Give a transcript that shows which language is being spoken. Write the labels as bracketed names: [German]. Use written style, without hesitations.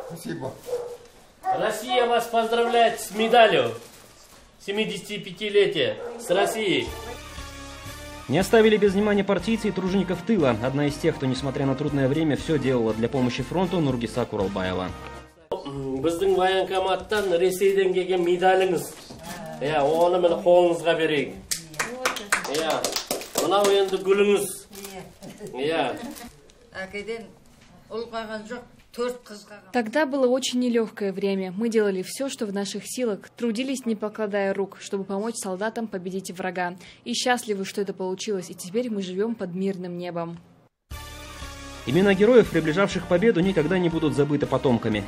[Russian] Спасибо. Россия вас поздравляет с медалью 75-летия с Россией. Не оставили без внимания партийцы и тружеников тыла. Одна из тех, кто, несмотря на трудное время, все делала для помощи фронту, Нургиса Куралбаева. [Kazakh] Біздің военкоматтан Ресейден келген медаліңіз. Я оны мен қолыңызға берейік. Иә, мынау енді гүліңіз. Иә. Әкеден ұл қалған жоқ, төрт қыз қалған. [Russian] Тогда было очень нелегкое время. Мы делали все, что в наших силах. Трудились, не покладая рук, чтобы помочь солдатам победить врага. И счастливы, что это получилось. И теперь мы живем под мирным небом. Имена героев, приближавших победу, никогда не будут забыты потомками.